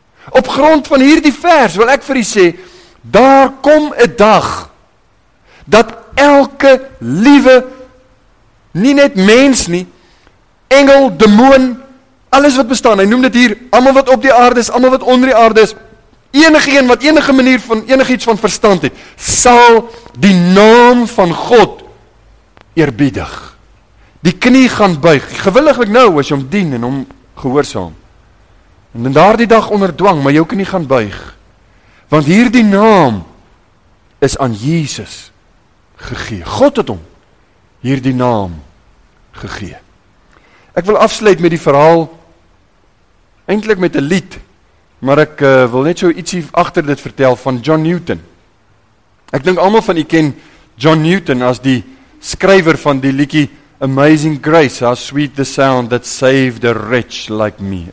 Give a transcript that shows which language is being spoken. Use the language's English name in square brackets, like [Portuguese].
[Afrikaans] Op grond van hierdie vers wil ek vir u sê, daar kom 'n dag dat elke liewe, nie net mens nie, engel, demoon, alles wat bestaan, hy noem dit hier, almal wat op die aarde is, almal wat onder die aarde is, enige een wat enige manier van enigiets van verstand het, sal die naam van God eerbiedig. Die knie gaan buig, gewilliglik nou as jy hom dien en hom gehoorsaam. En in daardie dag onder dwang, maar jou knie gaan buig. Want hierdie naam is aan Jesus gegee. God het hom hierdie naam gegee. Ek wil afsluit met die verhaal, eintlik met 'n lied, maar ek wil net so ietsie agter dit vertel van John Newton. Ek dink almal van u ken John Newton as die skrywer van die liedjie Amazing Grace, [English] how sweet the sound that saved a wretch like me.